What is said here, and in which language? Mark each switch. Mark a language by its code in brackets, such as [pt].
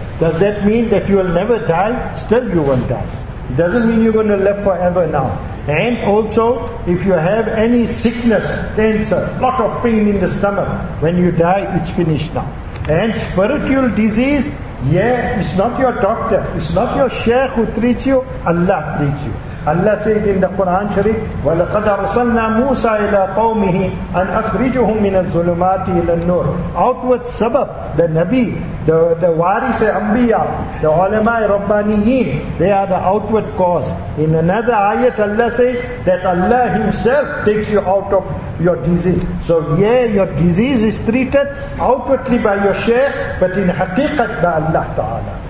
[en] Does that mean that you will never die? Still you won't die. It doesn't mean you're going to live forever now. And also, if you have any sickness, cancer, lot of pain in the stomach, when you die, it's finished now. And spiritual disease, it's not your doctor, it's not your sheikh who treats you, Allah treats you. [ar] Allah says in the Quran Sharif, وَلَقَدْ أَرْسَلْنَا مُوسَىٰ إِلَىٰ قَوْمِهِ أَنْ أَخْرِجُهُمْ مِنَ الظُّلُمَاتِ إِلَىٰ النُّورِ. [en] Outward sabab, the Nabi, the Warisa Ambiya, the Ulama'i Rabbaniyin, they are the outward cause. In another ayat Allah says that Allah Himself takes you out of your disease. So your disease is treated outwardly by your shaykh, but in haqiqat by Allah Ta'ala.